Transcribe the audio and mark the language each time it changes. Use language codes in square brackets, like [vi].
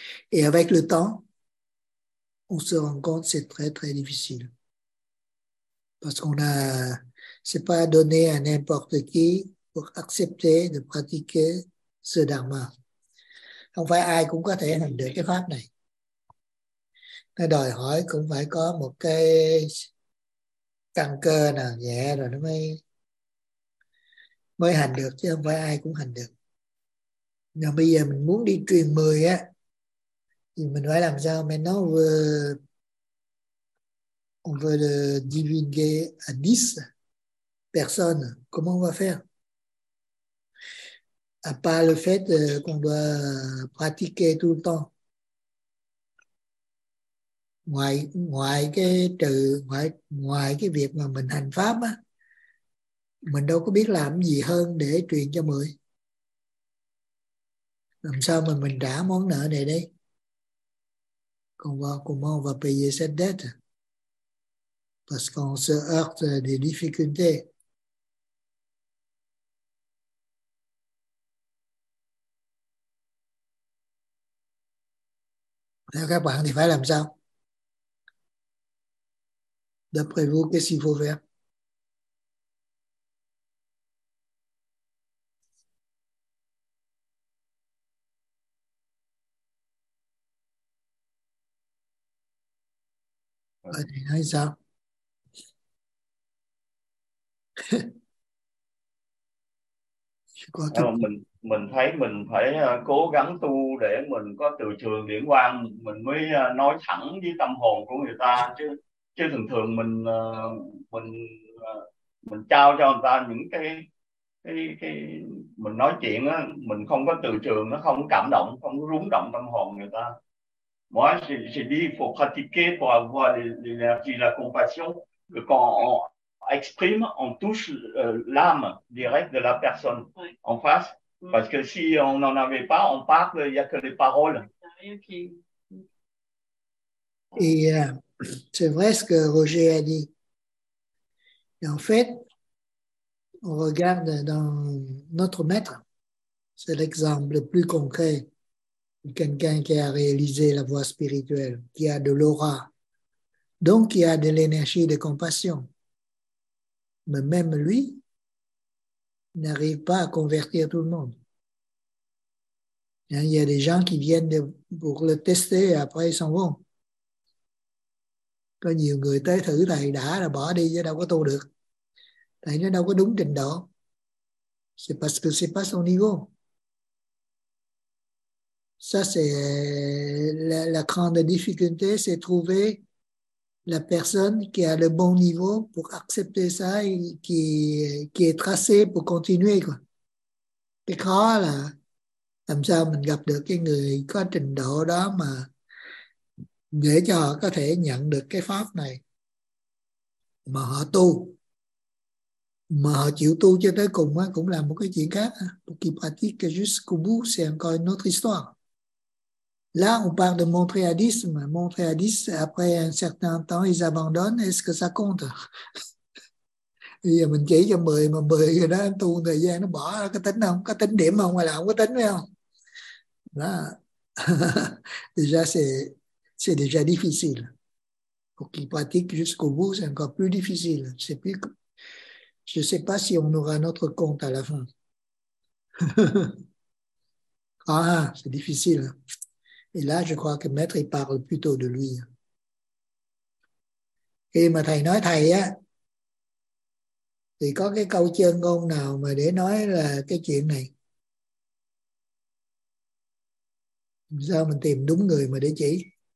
[fr] Et avec le temps, on se rend compte que c'est très, très difficile. Parce qu'on a, c'est pas donné à n'importe qui pour accepter de pratiquer ce dharma. [vi] Không phải ai cũng có thể làm được cái pháp này. Nó đòi hỏi cũng phải có một cái căn cơ nào nhẹ rồi nó mới mới hành được, chứ không phải ai cũng hành được. Nhưng bây giờ mình muốn đi truyền 10 á, thì mình phải làm sao? [fr] Mais non, on veut le divulguer à 10 personnes. Comment on va faire? À part le fait qu'on doit pratiquer tout le temps. [vi] Ngoài cái việc mà mình hành pháp á, mình đâu có biết làm gì hơn để truyền cho mười. Làm sao mà mình trả món nợ này đây? [fr] Qu'on va comment on va payer cette dette? Parce qu'on se heurte des difficultés. [vi] Theo các bạn thì phải làm sao? [fr] D'après vous, qu'est-ce qu'il faut faire? [vi] Thầy nói sao? mình thấy mình phải cố gắng tu để mình có từ trường điển quang, mình mới nói thẳng với tâm hồn của người ta, chứ thường thường mình trao cho người ta những cái mình nói chuyện á, mình không có từ trường, nó không cảm động, không rung động tâm hồn người ta. [fr] Moi, j'ai dit qu'il faut pratiquer pour avoir l'énergie, la compassion. Quand on exprime, on touche l'âme directe de la personne en face. Parce que si on n'en avait pas, on parle, il n'y a que les paroles. Et c'est vrai ce que Roger a dit. Et en fait, on regarde dans notre maître. C'est l'exemple le plus concret. Quelqu'un qui a réalisé la voie spirituelle, qui a de l'aura, donc qui a de l'énergie de compassion. Mais même lui n'arrive pas à convertir tout le monde. Il y a des gens qui viennent pour le tester et après ils s'en vont. [vi] Có nhiều người tới thử thầy đã là bỏ đi chứ đâu có tu được. Thầy nó đâu có đúng trình độ. [fr] C'est parce que c'est pas son niveau. Ça c'est la, la grande difficulté, c'est trouver la personne qui a le bon niveau pour accepter ça et qui est tracée pour continuer quoi. [vi] Cái khó là làm sao mình gặp được cái người có trình độ đó mà để cho họ có thể nhận được cái pháp này mà họ tu, mà họ chịu tu cho tới cùng á, cũng là một cái chuyện khác. [fr] Qui pratique jusqu'au bout, c'est encore une autre histoire. Là, on parle de montréalisme. Montréalisme, après un certain temps, ils abandonnent. Est-ce que ça compte? [vi] Bây giờ mình chỉ cho 10, mà 10 người đó tu một thời gian, nó bỏ ra, có tính không? Có tính điểm không? Hay là không có tính, phải không? [fr] Là, déjà, c'est déjà difficile. Pour qu'ils pratiquent jusqu'au bout, c'est encore plus difficile. C'est plus... Je ne sais pas si on aura notre compte à la fin. Ah, c'est difficile. Et là, je crois que maître, il parle plutôt de lui. [vi] Khi mà thầy nói thầy á, thì có cái câu chân ngôn nào mà để nói là cái chuyện này? Sao mình tìm đúng người mà để chỉ?